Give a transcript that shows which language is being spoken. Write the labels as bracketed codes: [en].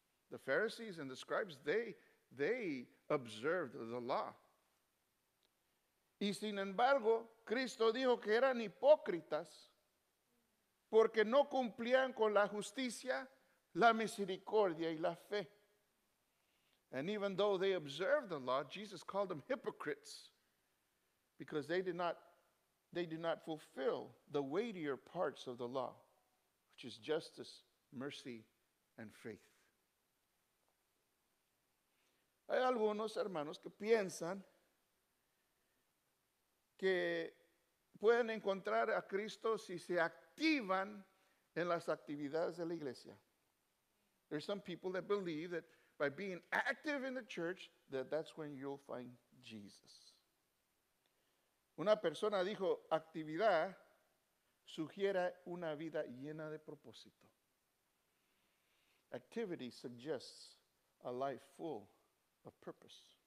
[en] The Pharisees and the scribes, they observed the law. [es] Y sin embargo, Cristo dijo que eran hipócritas porque no cumplían con la justicia, la misericordia y la fe. [en] And even though they observed the law, Jesus called them hypocrites because they did not fulfill the weightier parts of the law, which is justice, mercy, and faith. [es] Hay algunos hermanos que piensan que pueden encontrar a Cristo si se activan en las actividades de la iglesia. [en] There's some people that believe that by being active in the church, that's when you'll find Jesus. [es] Una persona dijo, actividad sugiere una vida llena de propósito. [en] Activity suggests a life full of purpose.